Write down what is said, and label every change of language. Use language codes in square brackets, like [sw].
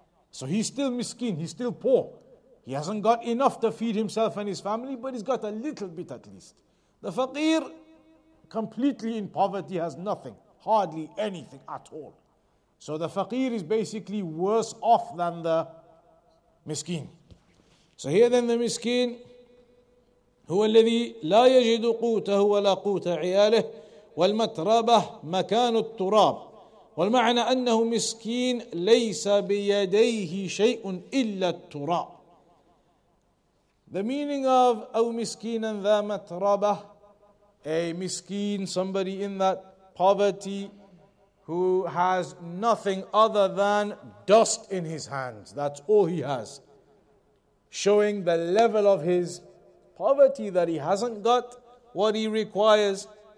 [en] So he's still miskin, he's still poor. He hasn't got enough to feed himself and his family, but he's got a little bit at least. The faqir, completely in poverty, has nothing, hardly anything at all. So the faqir is basically worse off than the miskin. So here then, the miskin, [ar] هو الذي لا يجد قوته ولا قوت عياله والمتربة مكان التراب والمعنى أنه مسكين ليس بيديه شيء إلا التراب. [en] The meaning of [ar] أو مسكينا ذا متربة, [en] a miskin, somebody in that poverty who has nothing other than dust in his hands, that's all he has, showing the level of his poverty, that he hasn't got what he requires,